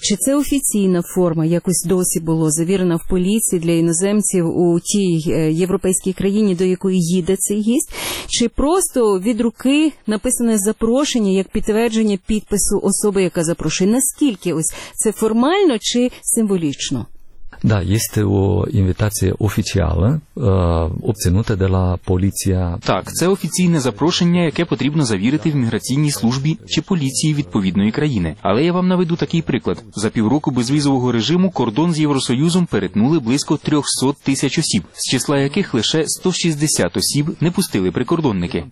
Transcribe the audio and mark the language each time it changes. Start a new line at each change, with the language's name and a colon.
Ukrainian: Чи це офіційна форма, якось досі було завірена в поліції для іноземців у тій європейській країні, до якої їде цей гість? Чи просто від руки написане запрошення, як підтвердження підпису особи, яка запрошує? Наскільки ось це формально чи символічно?
Romanian: Da, este o invitație oficială obținută de la poliția.
Ukrainian: Так, це офіційне запрошення, яке потрібно завірити в міграційній службі чи поліції відповідної країни. Але я вам наведу такий приклад. За півроку безвізового режиму кордон з Євросоюзом перетнули близько 300 тисяч осіб, з числа яких лише 160 осіб не пустили прикордонники.